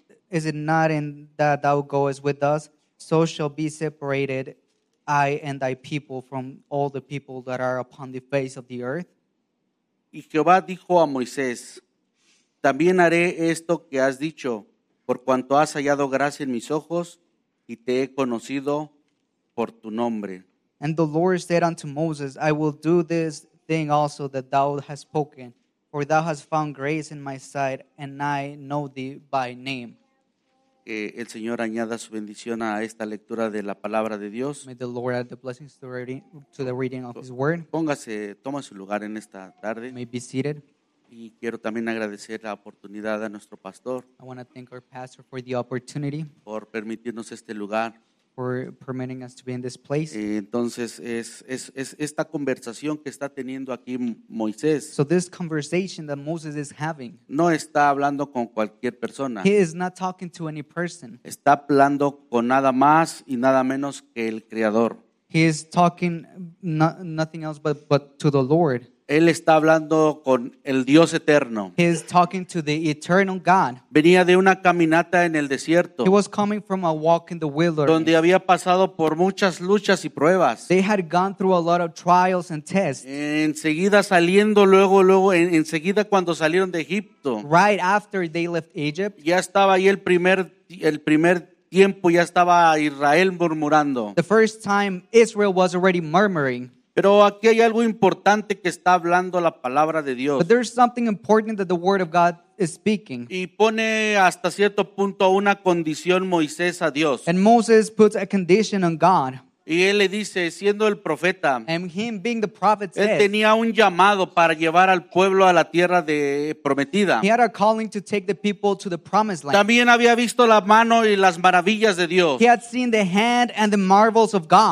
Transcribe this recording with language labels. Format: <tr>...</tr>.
<en>Is it not in that thou goest with us? So shall be separated I and thy people from all the people that are upon the face of the earth.</en> <es>Y Jehová dijo a Moisés, también haré esto que has dicho, por cuanto has hallado gracia en mis ojos y te he conocido por tu nombre.</es> <en>And the Lord said unto Moses, I will do this thing also that thou hast spoken, for thou hast found grace in my sight, and I know thee by name.</en> <es>Que el Señor añada su bendición a esta lectura de la palabra de Dios.</es> <en>May the Lord add the blessings to the reading of his word.</en> <es>Póngase, toma su lugar en esta tarde.</es> <en>May be seated.</en> <es>Y quiero también agradecer la oportunidad a nuestro pastor.</es> <en>I want to thank our pastor for the opportunity.</en> <es>Por permitirnos este lugar.</es> <en>For permitting us to be in this place.</en> <es>Entonces es esta conversación que está teniendo aquí Moisés.</es> <en>So this conversation that Moses is having.</en> <es>No está hablando con cualquier persona.</es> <en>He is not talking to any person.</en> <es>Está hablando con nada más y nada menos que el Creador.</es> <en>He is talking nothing else but to the Lord.</en> <es>Él está hablando con el Dios eterno.</es> <en>He is talking to the eternal God.</en> <es>Venía de una caminata en el desierto.</es> <en>He was coming from a walk in the wilderness.</en> <es>Donde había pasado por muchas luchas y pruebas.</es> <en>They had gone through a lot of trials and tests.</en> <es>Enseguida saliendo luego, enseguida cuando salieron de Egipto.</es> <en>Right after they left Egypt.</en> <es>Ya estaba ahí el primer tiempo, ya estaba Israel murmurando.</es> <en>The first time Israel was already murmuring.</en> <es>Pero aquí hay algo importante que está hablando la palabra de Dios.</es> <en>But there's something important that the word of God is speaking.</en> <es>Y pone hasta cierto punto una condición Moisés a Dios.</es> <en>And Moses puts a condition on God.</en> <es>Y él le dice, siendo el profeta,</es> <en>and him being the prophet</en> <es>él</es> <en>says,</en> <es>tenía un llamado para llevar al pueblo a la tierra de prometida.</es> <en>He had a calling to take the people to the promised land.</en> <es>También había visto la mano y las maravillas de Dios.</es> <en>He had seen the hand and the marvels of God.</en>